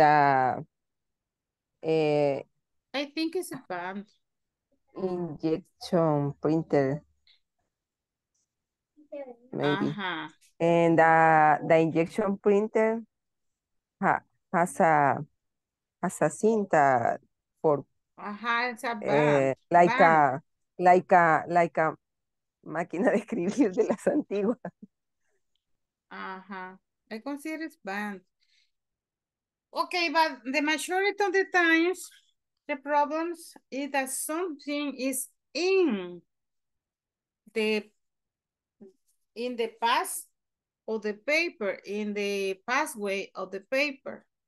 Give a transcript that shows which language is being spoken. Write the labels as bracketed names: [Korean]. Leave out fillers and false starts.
[English] I think it's a band. Injection printer, maybe. And the injection printer has a cinta for It's a band. Like a [Spanish] máquina de escribir de las antiguas. [English] I consider it's band. Okay, but the majority of the times, the problems is that something is in the past of the paper, in the pathway of the paper.